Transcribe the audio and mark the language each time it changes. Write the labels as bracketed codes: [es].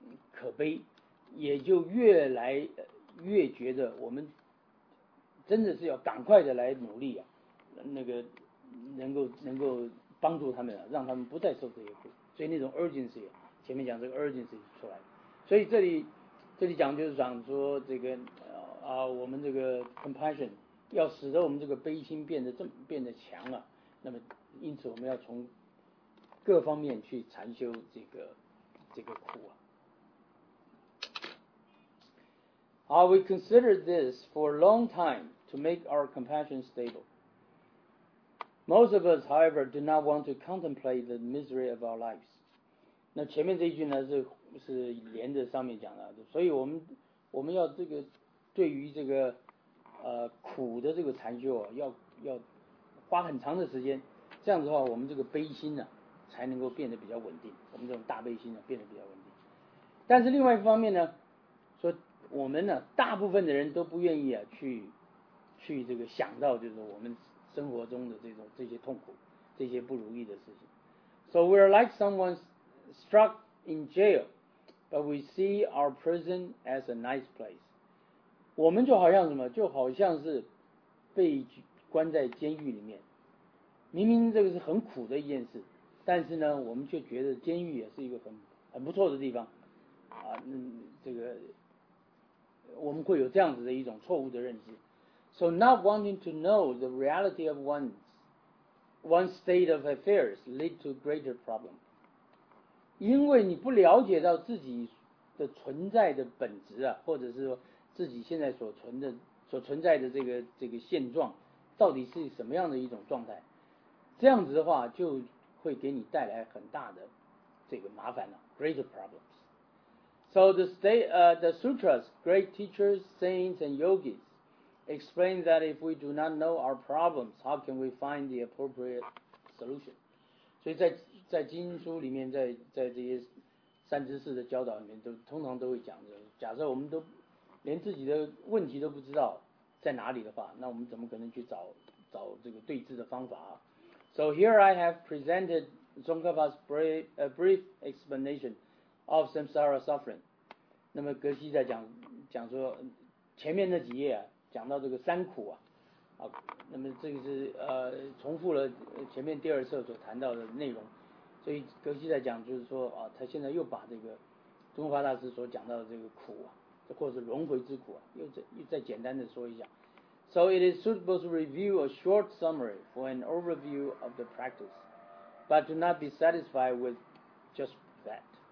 [zh] 可悲，也就越来越觉得我们真的是要赶快的来努力啊，那个能够帮助他们啊，让他们不再受这些苦，所以那种 urgency 啊，前面讲这个 urgency 出来，所以这里讲就是想说这个我们这个 compassion 要使得我们这个悲心变得强啊。那么因此我们要从各方面去禅修这个苦啊。 [en] We consider this for a long time to make our compassion stable. Most of us, however, do not want to contemplate the misery of our lives. [zh] 那前面这一句呢是连着上面讲的，所以我们要这个对于这个苦的这个禅修啊，要花很长的时间，这样子的话，我们这个悲心呢、啊，才能够变得比较稳定。我们这种大悲心呢、啊，变得比较稳定。但是另外一方面呢，说我们呢、啊，大部分的人都不愿意啊，去这个想到就是我们生活中的这些痛苦、这些不如意的事情。 [en] So we are like someone struck in jail, but we see our prison as a nice place. [zh] 我们就好像什么，就好像是被关在监狱里面，明明这个是很苦的一件事，但是呢我们却觉得监狱也是一个很不错的地方啊。这个我们会有这样子的一种错误的认知。 So not wanting to know the reality of one's state of affairs lead to greater problem，因为你不了解到自己的存在的本质啊，或者是说自己现在所存在的这个现状到底是什么样的一种状态，这样子的话就会给你带来很大的这个麻烦了、啊、 greater problems. [en] So the sutras, great teachers, saints and yogis explain that if we do not know our problems, how can we find the appropriate solution? [zh] 所以在经书里面，在这些三知识的教导里面都通常都会讲的，假设我们都连自己的问题都不知道在哪里的话，那我们怎么可能去找这个对治的方法啊。 [en] So here I have presented Tsongkhapa's brief explanation of samsara suffering. [zh] 那么格西在讲说前面那几页啊讲到这个三苦啊，那么这个是重复了前面第二册所谈到的内容，所以格西在讲就是说啊，他现在又把这个中华大师所讲到的这个苦啊，或是轮回之苦啊，又再简单的说一下。 [en] So it is suitable to review a short summary for an overview of the practice, but do not be satisfied with just that.